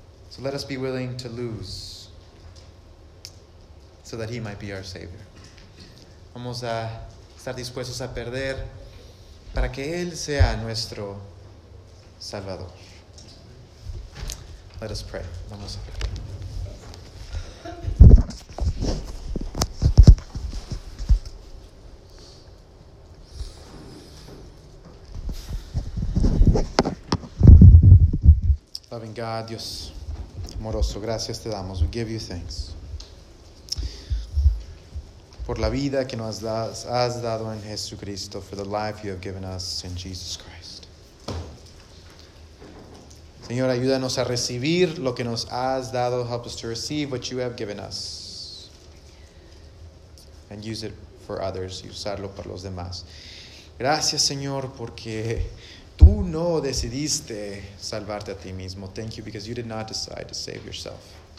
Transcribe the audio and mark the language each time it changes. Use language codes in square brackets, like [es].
[en] So let us be willing to lose so that he might be our savior. [es] Vamos a estar dispuestos a perder para que Él sea nuestro Salvador. [en] Let us pray. [es] Vamos a orar. [en] Loving God, [es] Dios amoroso, gracias te damos. [en] We give you thanks. [es] Por la vida que nos has dado en Jesucristo, [en] for the life you have given us in Jesus Christ. [es] Señor, ayúdanos a recibir lo que nos has dado. [en] Help us to receive what you have given us. And use it for others. [es] Y usarlo para los demás. Gracias, Señor, porque tú no decidiste salvarte a ti mismo. [en] Thank you, because you did not decide to save yourself.